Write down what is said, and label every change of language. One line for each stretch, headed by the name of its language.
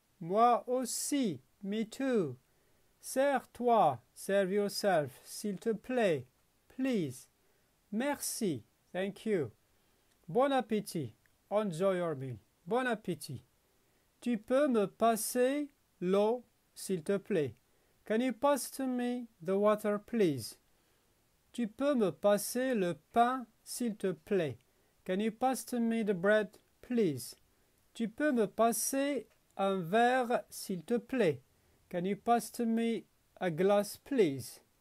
French: Moi aussi.
English: Me too.
French: Serre-toi.
English: Serve yourself,
French: s'il te plaît.
English: Please.
French: Merci.
English: Thank you.
French: Bon appétit.
English: Enjoy your meal. Bon appétit.
French: Tu peux me passer l'eau, s'il te plaît.
English: Can you pass to me the water, please?
French: Tu peux me passer le pain, s'il te plaît.
English: Can you pass to me the bread, please?
French: Tu peux me passer un verre, s'il te plaît.
English: Can you pass to me a glass, please?